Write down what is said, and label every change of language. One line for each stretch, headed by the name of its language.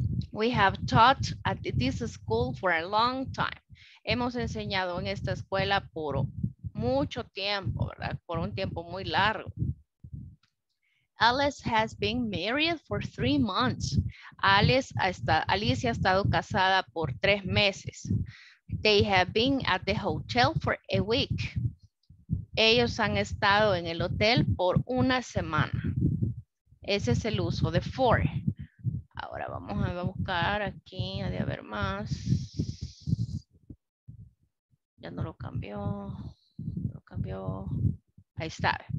English: We have taught at this school for a long time.
Spanish: Hemos enseñado en esta escuela por mucho tiempo, ¿verdad? Por un tiempo muy largo.
English: Alice has been married for 3 months.
Spanish: Alicia ha estado casada por 3 meses.
English: They have been at the hotel for a week.
Spanish: Ellos han estado en el hotel por una semana. Ese es el uso de for. Ahora vamos a buscar aquí, ha de haber más. Ya no lo cambió. Lo cambió. Ahí está.